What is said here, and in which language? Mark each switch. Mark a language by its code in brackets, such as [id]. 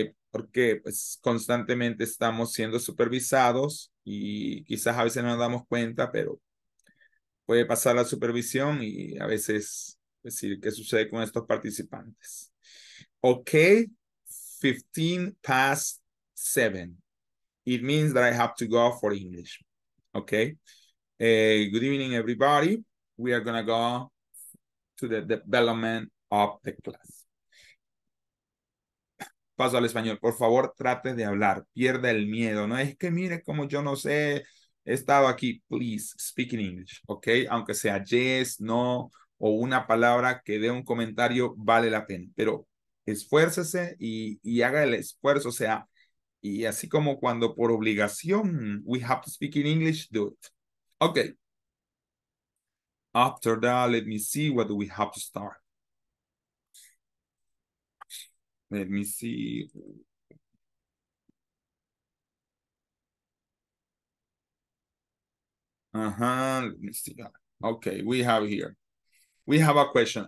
[es] Porque pues, constantemente estamos siendo supervisados y quizás a veces no nos damos cuenta, pero puede pasar la supervisión y a veces decir qué sucede con estos participantes. [en] Ok, 15 past 7. It means that I have to go for English. Okay. Good evening, everybody. We are going to go to the development of the class. [es] Paso al español. Por favor, trate de hablar. Pierda el miedo. No es que mire como yo no sé. He estado aquí. [en] Please, speak in English. [es] Okay. Aunque sea yes, no, o una palabra que dé un comentario, vale la pena. Pero esfuércese y haga el esfuerzo. O sea, y así como cuando por obligación [en] we have to speak in English, do it. Okay. After that, let me see what we have to start. Let me see. Let me see that. Okay, we have here. We have a question.